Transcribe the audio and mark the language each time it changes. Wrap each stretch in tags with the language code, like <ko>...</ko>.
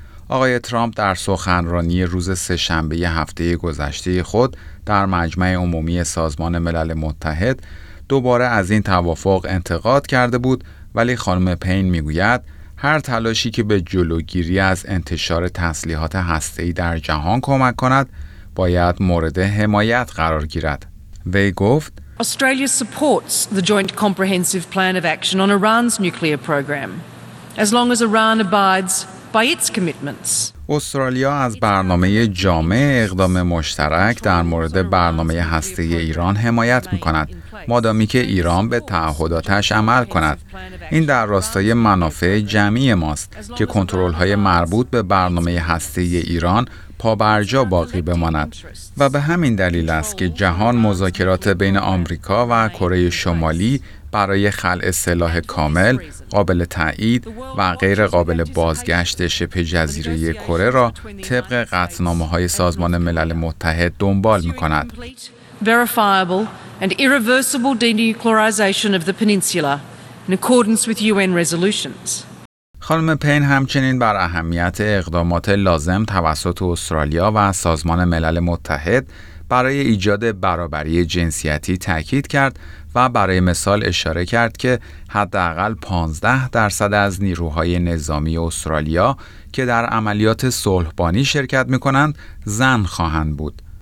<fa>آقای ترامپ در سخنرانی روز سه‌شنبه هفته گذشته خود در مجمع عمومی سازمان ملل متحد دوباره از این توافق انتقاد کرده بود، ولی خانم پین میگوید هر تلاشی که به جلوگیری از انتشار تسلیحات هسته‌ای در جهان کمک کند باید مورد حمایت قرار گیرد. وی گفت:</fa> <en>Australia supports the joint comprehensive plan of action on Iran's nuclear program as long as Iran abides by its commitments.</en> <fa>استرالیا از برنامه جامع اقدام مشترک در مورد برنامه هسته‌ای ایران حمایت می‌کند، مادامی که ایران به تعهداتش عمل کند. این در راستای منافع جمعی ماست که کنترل‌های مربوط به برنامه هسته‌ای ایران پابرجا باقی بماند، و به همین دلیل است که جهان مذاکرات بین آمریکا و کره شمالی برای خلع سلاح کامل، قابل تایید و غیر قابل بازگشت شبه جزیره کره را طبق قطعنامه‌های سازمان ملل متحد دنبال می‌کند.</fa> <en>Verifiable and irreversible denuclearization of the peninsula in accordance with UN resolutions.</en> <fa>خانم پین همچنین بر اهمیت اقدامات لازم توسط استرالیا و سازمان ملل متحد برای ایجاد برابری جنسیتی تاکید کرد و برای مثال اشاره کرد که حداقل 15% از نیروهای نظامی استرالیا که در عملیات صلح‌بانی شرکت می‌کنند زن خواهند بود.</fa>